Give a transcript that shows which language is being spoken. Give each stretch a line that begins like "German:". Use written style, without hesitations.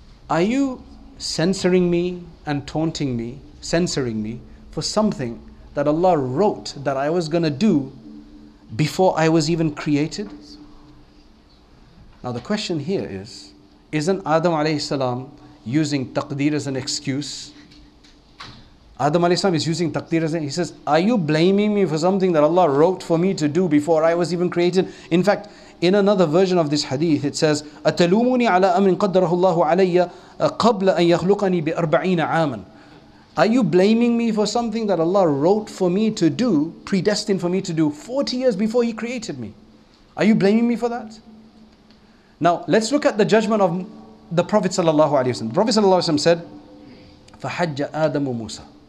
English: Are you censoring me and taunting me, censoring me for something that Allah wrote that I was going to do before I was even created? Now the question here is, isn't Adam alayhi salam using taqdeer as an excuse? Adam alayhi salam is using taqdeer as an excuse. He says, are you blaming me for something that Allah wrote for me to do before I was even created? In fact, in another version of this hadith, it says,
Arabic: أَتَلُومُونِي عَلَىٰ أَمْرٍ قَدَّرَهُ اللَّهُ عَلَيَّ قَبْلَ أَن يَخْلُقَنِي بِأَرْبَعِينَ عَامًا.
English: Are you blaming me for something that Allah wrote for me to do, predestined for me to do 40 years before He created me? Are you blaming me for that? Now, let's look at the judgment of the Prophet sallallahu alayhi wa sallam. The Prophet sallallahu alayhi wa sallam said,
Arabic: فَحَجَّ آدَمُ مُوسَى.